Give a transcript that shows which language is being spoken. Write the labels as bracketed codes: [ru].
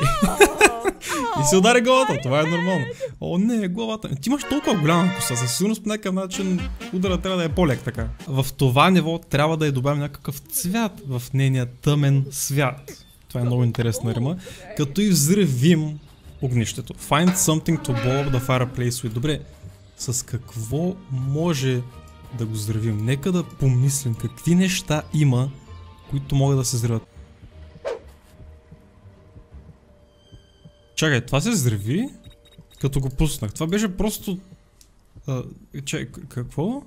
[bg] Okay. И се удари главата. Това е нормално. О, не, главата. Ти имаш толкова голяма коса. Със сигурност по някакъв начин удара трябва да е по-лег така. В това ниво трябва да я добавим някакъв цвят в нейния тъмен свят. Това е много интересна рима. Като и взривим огнището. [en] Find something to blow up the fireplace with. [bg] Добре, с какво може да го взривим? Нека да помислим какви неща има, които могат да се взриват. Чакай, това се взриви, като го пуснах. Това беше просто... чакай, какво?